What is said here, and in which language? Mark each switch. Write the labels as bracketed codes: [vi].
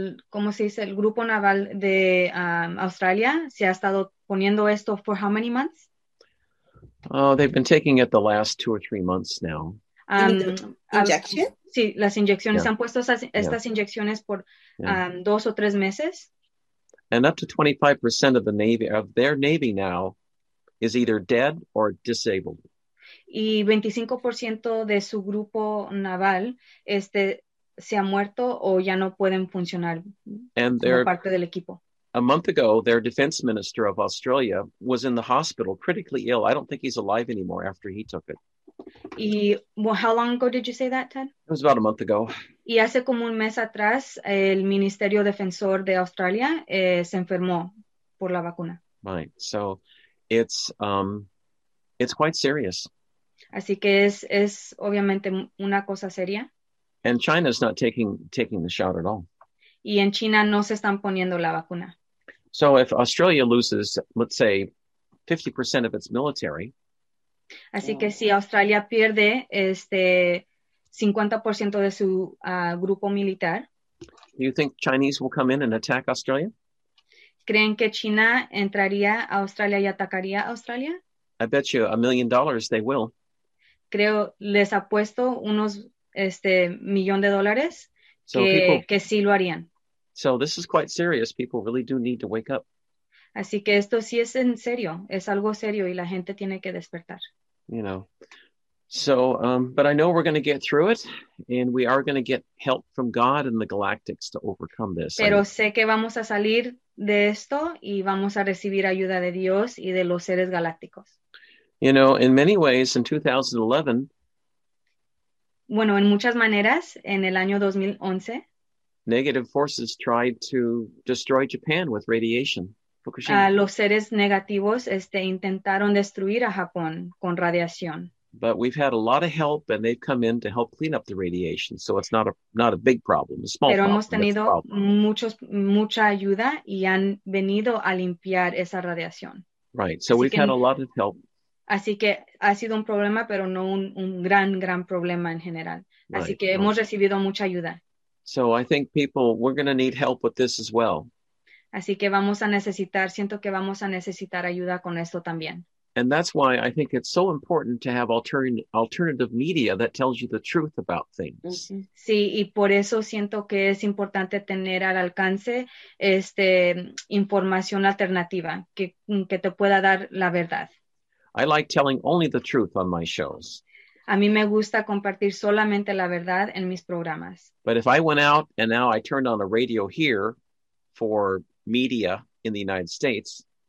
[es] ¿Cómo se dice? El grupo naval de Australia se ha estado poniendo esto [en] for how many months? They've been taking it the last 2 or 3 months now. Injection? [es] Sí, las inyecciones. Yeah. Se han puesto estas inyecciones por 2 o 3 meses. [en] And up to 25% of their Navy now is either dead or disabled. [es] y 25% de su grupo naval se ha muerto o ya no pueden funcionar como parte del equipo. [en] A month ago, their defense minister of Australia was in the hospital, critically ill. I don't think he's alive anymore after he took it. How long ago did you say that, Ted? It was about a month ago. [es] Y hace como un mes atrás, el Ministerio Defensor de Australia se enfermó por la vacuna. [en] Right. So it's quite serious. [es] Así que es obviamente una cosa seria. [en] And China's not taking the shot at all. [es] Y en China no se están poniendo la vacuna. [en] So if Australia loses, let's say, 50% of its military. [es] Así que si Australia pierde 50% de su grupo militar. [en] Do you think Chinese will come in and attack Australia? [es] ¿Creen que China entraría a Australia y atacaría a Australia? [en] I bet you $1 million they will. [es] Creo, les apuesto unos millón de dólares. Que sí lo harían. [en] So this is quite serious. People really do need to wake up. [es] Así que esto sí es en serio. Es algo serio y la gente tiene que despertar. [en] You know. So, but I know we're going to get through it. And we are going to get help from God and the galactics to overcome this. [es] Pero sé que vamos a salir de esto y vamos a recibir ayuda de Dios y de los seres galácticos. [en] You know, in many ways, in 2011... [es] Bueno, en muchas maneras, en el año 2011, [en] negative forces tried to destroy Japan with radiation. Fukushima. [es] Los seres negativos intentaron destruir a Japón con radiación. [en] But we've had a lot of help and they've come in to help clean up the radiation, so it's not a big problem, a small [es] Pero [en] problem. [es] Pero hemos tenido mucha ayuda y han venido a limpiar esa radiación. [en] Right. So [es] Así [en] we've had a lot of help. [es] Así que ha sido un problema, pero no un gran, gran problema en general. [en] Right, [es] Así que [en] right. [es] hemos recibido mucha ayuda. [en] So I think people, we're going to need help with this as well. [es] Así que vamos a necesitar, siento que vamos a necesitar ayuda con esto también. [en] And that's why I think it's so important to have alternative media that tells you the truth about things. Mm-hmm. [es] Sí, y por eso siento que es importante tener al alcance información alternativa que te pueda dar la verdad. [en] I like telling only the truth on my shows. [es] A mí me gusta compartir solamente la verdad en mis programas. [en] But if I went out and now I turned on a radio here for media in the United States.